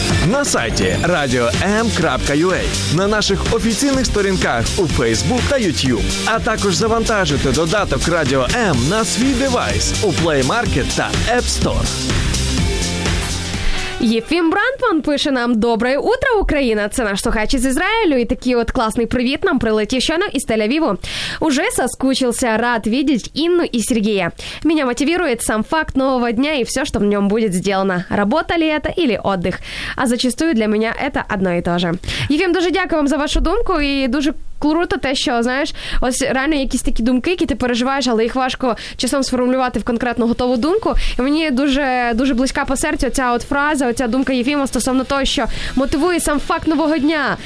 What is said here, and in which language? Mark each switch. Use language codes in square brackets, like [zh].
[uk] На сайті radio.m.ua, на наших офіційних сторінках у Facebook та YouTube, а також завантажуйте додаток Радіо М на свій девайс у Play Market та App Store. Єфім Брантман пише нам: «Добре утро, Україна! Це наш слухач із Ізраїлю, і такий от класний привіт нам прилетів щойно із Тель-Авіву. [ru] Уже соскучився, рад видеть Інну і Сергія. Меня мотивирует сам факт нового дня и все, что в нем будет сделано. Работа ли это или отдых? А зачастую для меня это одно и то же». [uk] Єфім, дуже дякую вам за вашу думку і дуже... Круто те, що, знаєш, ось реально якісь такі думки, які ти переживаєш, але їх важко часом сформулювати в конкретну готову думку. І мені дуже, дуже близька по серцю ця от фраза, оця думка Єфіма стосовно того, що мотивує сам факт нового дня.